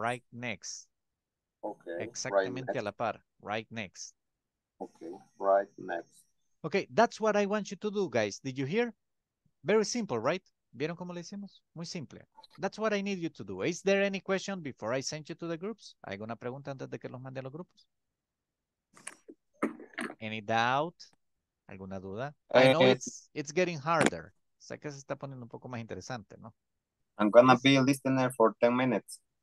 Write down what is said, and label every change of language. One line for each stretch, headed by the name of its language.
English: Right next. Okay.
Spanish: Exactamente right a la par. Right next.
English: Okay. Right next. Okay. That's what I want you to do, guys. Did you hear? Very simple, right? ¿Vieron cómo le hicimos? Muy simple. That's what I need you to do. Is there any question before I send you to the groups?
Spanish: ¿Alguna pregunta antes de que los mande a los grupos?
English: Any doubt? ¿Alguna duda? I know it's getting harder.
Spanish: Sé que se está poniendo un poco más interesante, ¿no?
English: I'm going to be a listener for 10 minutes.